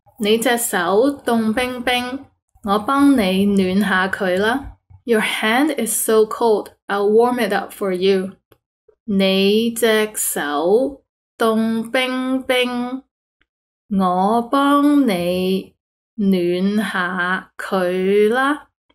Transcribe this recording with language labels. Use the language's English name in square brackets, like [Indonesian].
[Cantonese] 你的手冻冰冰, 我帮你暖下它吧. [English] Your hand is so cold, I'll warm it up for you. [Cantonese] 你的手冻冰冰, 我帮你暖下它吧.